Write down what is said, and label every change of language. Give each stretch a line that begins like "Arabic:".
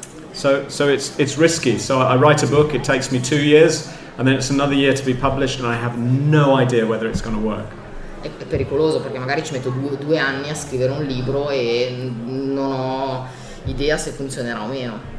English: So it's risky. So I write a book, it takes me 2 years, and then it's another year to be published, and I have no idea whether it's going to work.
Italian: È pericoloso, perché magari ci metto due anni a scrivere un libro e non ho idea se funzionerà o meno.